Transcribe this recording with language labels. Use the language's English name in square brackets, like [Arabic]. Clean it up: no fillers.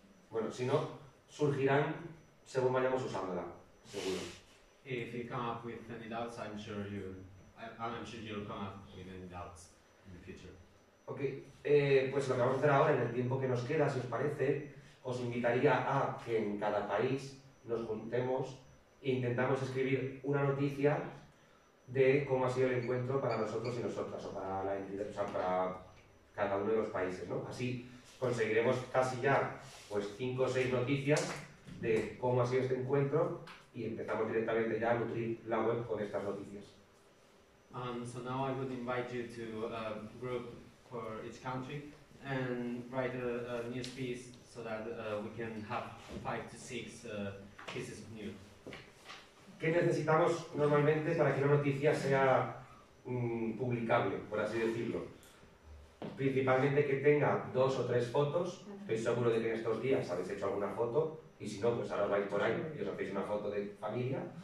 [Spanish] Bueno, si no, surgirán según vayamos usándola, seguro. [English] If you come up with any doubts, I'm sure you. I'm sure you'll come up with any doubts in the future. [Spanish] Okay, pues lo que vamos a hacer ahora, en el tiempo que nos queda, si os parece, os invitaría a que en cada país nos juntemos intentamos escribir una noticia de cómo ha sido el encuentro para nosotros y nosotras, o para la entidad, o sea, para cada uno de los países, ¿no? Así conseguiremos casi ya pues 5 o 6 noticias de cómo ha sido este encuentro y empezamos directamente ya a nutrir la web con estas noticias. [English] So now I would invite you to a group for each country and write a news piece so that we can have 5 to 6 pieces of news. [Spanish] ¿Qué necesitamos normalmente para que una noticia sea publicable, por así decirlo? Principalmente que tenga 2 o 3 fotos. Estoy seguro de que en estos días habéis hecho alguna foto, y si no, pues ahora os vais por ahí y os hacéis una foto de familia.